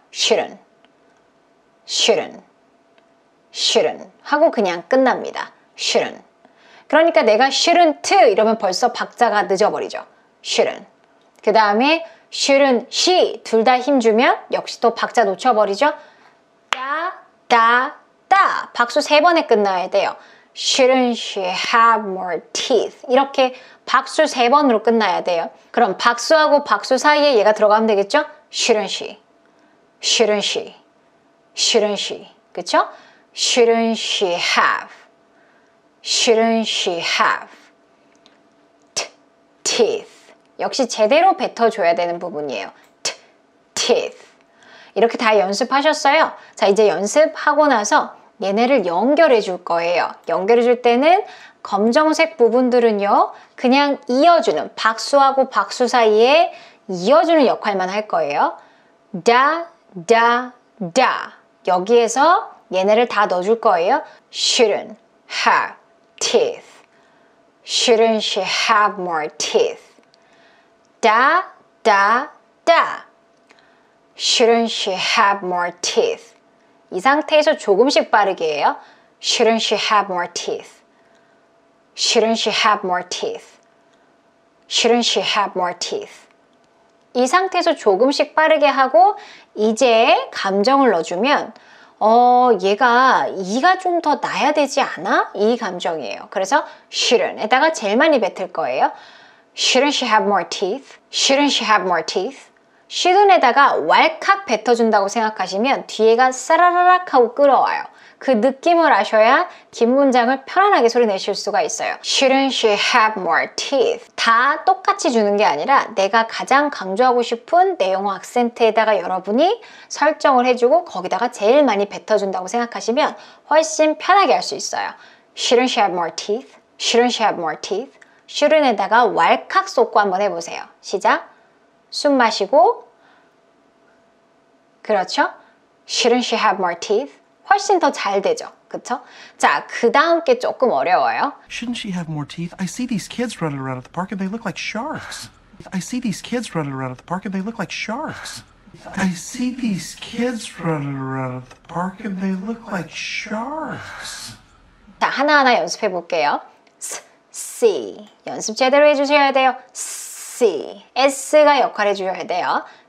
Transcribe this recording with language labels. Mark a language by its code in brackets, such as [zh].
[en] shouldn't, shouldn't, shouldn't [ko] 하고 그냥 끝납니다. [en] shouldn't. [ko] 그러니까 내가 shouldn't 이러면 벌써 박자가 늦어버리죠. [en] shouldn't. [ko] 그 다음에 [en] shouldn't she [ko] 둘 다 힘 주면 역시 또 박자 놓쳐버리죠. 따, 따, 따 박수 세 번에 끝나야 돼요. [en] Shouldn't she have more teeth? [ko] 이렇게 박수 세 번으로 끝나야 돼요. 그럼 박수하고 박수 사이에 얘가 들어가면 되겠죠? [en] Shouldn't she? Shouldn't she? Shouldn't she? [ko] 그쵸? [en] Shouldn't she have? Shouldn't she have? teeth. [ko] 역시 제대로 뱉어줘야 되는 부분이에요. [en] teeth. [ko] 이렇게 다 연습하셨어요? 자, 이제 연습하고 나서 얘네를 연결해 줄 거예요. 연결해 줄 때는 검정색 부분들은요, 그냥 이어주는, 박수하고 박수 사이에 이어주는 역할만 할 거예요. 다, 다, 다. 여기에서 얘네를 다 넣어줄 거예요. [en] Shouldn't her teeth. Shouldn't she have more teeth. 다, 다, 다. Shouldn't she have more teeth. [ko] 이 상태에서 조금씩 빠르게 해요. [en] Shouldn't she have more teeth? Shouldn't she have more teeth? Shouldn't she have more teeth? [ko] 이 상태에서 조금씩 빠르게 하고 이제 감정을 넣어주면 얘가 이가 좀 더 나야 되지 않아? 이 감정이에요. 그래서 shouldn't에다가 제일 많이 뱉을 거예요. [en] Shouldn't she have more teeth? Shouldn't she have more teeth? [ko] Shouldn't에다가 왈칵 뱉어준다고 생각하시면 뒤에가 싸라라락 하고 끌어와요. 그 느낌을 아셔야 긴 문장을 편안하게 소리내실 수가 있어요. [en] Shouldn't she have more teeth? [ko] 다 똑같이 주는 게 아니라 내가 가장 강조하고 싶은 내용과 악센트에다가 여러분이 설정을 해주고 거기다가 제일 많이 뱉어준다고 생각하시면 훨씬 편하게 할 수 있어요. [en] Shouldn't she have more teeth? Shouldn't she have more teeth? [ko] Shouldn't에다가 왈칵 쏟고 한번 해보세요. 시작! 숨 마시고 그렇죠? [en] Shouldn't she have more teeth? [ko] 훨씬 더 잘 되죠. 그쵸? 자, 그 다음 게 조금 어려워요. [en] Shouldn't she have more teeth? I see these kids running around at the park and they look like sharks. I see these kids running around at the park and they look like sharks. I see these kids running around at the park and they look like sharks. [ko] 자, 하나하나 연습해 볼게요. [en] See. [ko] 연습 제대로 해주셔야 돼요. [en] See. [ko] S가 역할해 주셔야 돼요.